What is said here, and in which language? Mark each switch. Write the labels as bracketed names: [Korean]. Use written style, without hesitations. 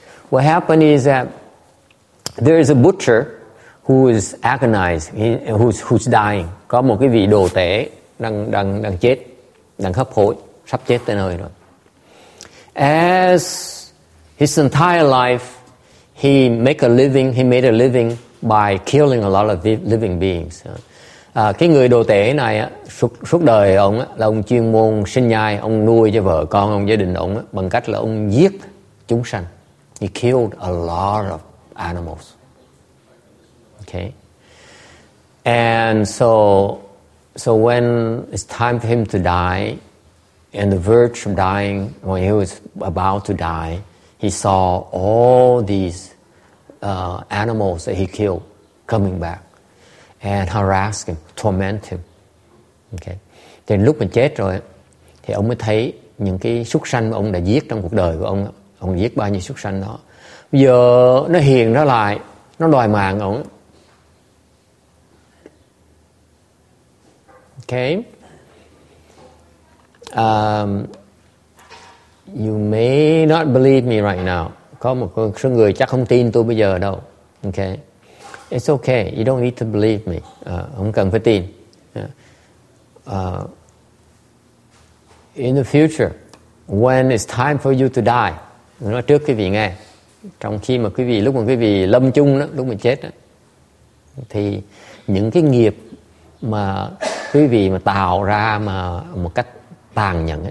[English] What happened is that there is a butcher who is agonized, who's dying. [Vietnamese] Có một cái vị đồ tể đang chết, đang hấp hối, sắp chết tới nơi rồi. [English] As his entire life, he made a living by killing a lot of living beings. [Vietnamese] Cái người đồ tể này á, suốt đời ông á, là ông chuyên môn sinh nhai, ông nuôi cho vợ con, ông gia đình ông á, bằng cách là ông giết chúng sanh. [English] He killed a lot of animals. Okay. And so when it's time for him to die, and the verge of dying, when he was about to die, he saw all these animals that he killed coming back. And harass him, torment him. Okay. [Vietnamese] Thì lúc mình chết rồi, thì ông mới thấy những cái súc sanh mà ông đã giết trong cuộc đời của ông. Ông giết bao nhiêu súc sanh đó. Bây giờ nó hiện ra lại, nó đòi mạng ông. [English] Okay. You may not believe me right now. [Vietnamese] Có một số người chắc không tin tôi bây giờ đâu. [English] Okay. It's okay. You don't need to believe me. [Vietnamese] Không cần phải tin. [English] In the future, when it's time for you to die, [Vietnamese] nói trước quý vị nghe, trong khi mà quý vị, lúc mà quý vị lâm chung đó, lúc mà chết đó, thì những cái nghiệp mà quý vị mà tạo ra mà một cách tàn nhẫn,